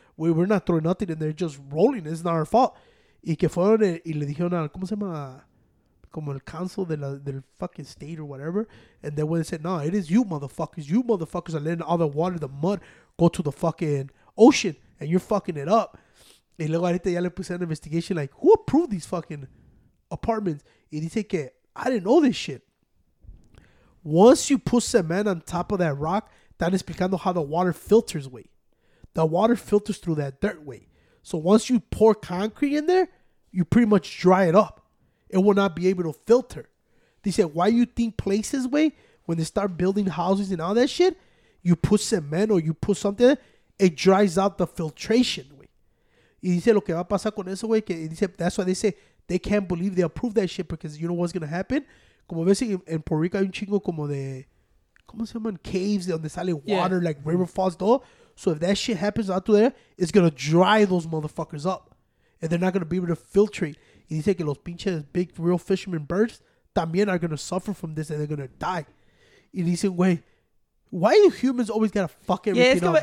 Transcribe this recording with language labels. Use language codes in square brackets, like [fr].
[en] We're not throwing nothing and they're just rolling. It's not our fault. [es] Y que fueron, y le dijeron al, ¿cómo se llama? Como el [en] council [es] del [en] fucking state or whatever. And they went and said, no, it is you, motherfuckers. You motherfuckers are letting all the water, the mud, go to the fucking ocean. And you're fucking it up. [es] Y luego ahorita ya le puse [en] an investigation, like, who approved these fucking apartments? [es] Y dice que, [en] I didn't know this shit. Once you put cement on top of that rock, [es] están explicando [en] how the water filters, way. The water filters through that dirt, way. So once you pour concrete in there, you pretty much dry it up. It will not be able to filter. They said, why you think places, way, when they start building houses and all that shit, you put cement or you put something, it dries out the filtration, way. [es] Y dice lo que va a pasar con eso, güey. [en] That's why they say they can't believe they approved that shit because you know what's going to happen? [es] Como ves en Puerto Rico hay un chingo como de, ¿cómo se llaman? [en] Caves [es] donde sale [en] water, like river falls, though. So if that shit happens out there, it's going to dry those motherfuckers up. And they're not going to be able to filtrate. [es] Y dice que los pinches [en] big real fishermen birds [es] también [en] are going to suffer from this and they're going to die. [es] Y dice, güey, [en] why do humans always got to fuck everything up?